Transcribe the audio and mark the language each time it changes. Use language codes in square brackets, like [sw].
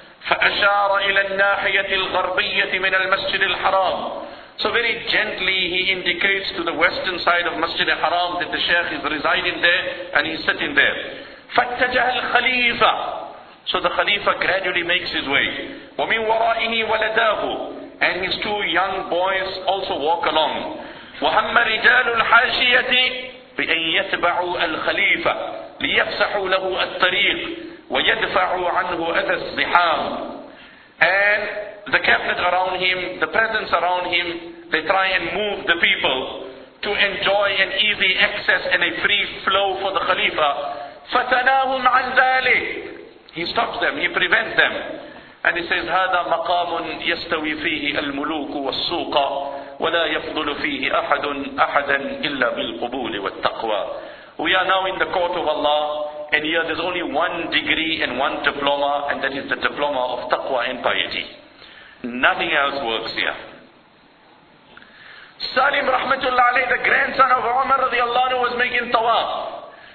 [ar] فَأَشَارَ إِلَى النَّاحِيَةِ الْغَرْبِيَّةِ مِنَ الْمَسْجِدِ الْحَرَامِ. [en] So very gently he indicates to the western side of Masjid al-Haram that the sheikh is residing there and he's sitting there. [ar] فَاتَّجَهَ الْخَلِيفَةِ. [en] So the Khalifa gradually makes his way. [ar] وَمِنْ وَرَائِهِ وَلَدَاهُ. [en] And his two young boys also walk along. [ar] وَهَمَّ رِجَالُ الْحَاشِيَةِ بأن يتبعوا الخليفة ليفسحوا له الطريق ويدفعوا عنه أذى الزحام. [en] And the cabinet around him, the peasants around him, they try and move the people to enjoy an easy access and a free flow for the Khalifa. [ar] فتناهم عن ذلك. [en] He stops them, he prevents them. And he says, [ar] هذا مقام يستوي فيه الملوك والسوق ولا يفضل فيه أحد أحدا إلا بالقبول والتقوى. [en] We are now in the court of Allah, and here there's only one degree and one diploma, and that is the diploma of taqwa and piety. Nothing else works here. Salim rahmatullah alayhi, the grandson of Umar radiallahu anhu, was making tawaf.